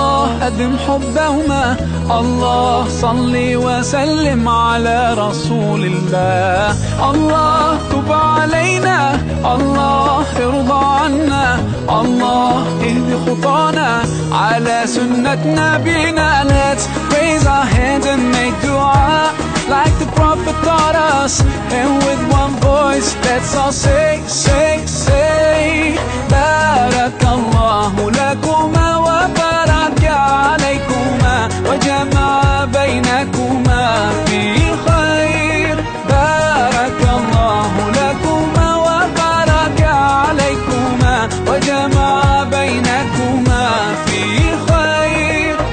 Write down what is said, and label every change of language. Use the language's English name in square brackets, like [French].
[Arabic] الله صلي وسلم على رسول الله الله تب علينا الله ارضى عنا الله اهدي خطانا على سنة نبينا. [English] Let's raise our hands and make dua like the Prophet taught us. And with one voice, let's all say, say, say, [Arabic] بارك الله لكما وبارك عليكما وجمع بينكما في الخير. بارك الله لكما وبارك عليكما وجمع بينكما في الخير.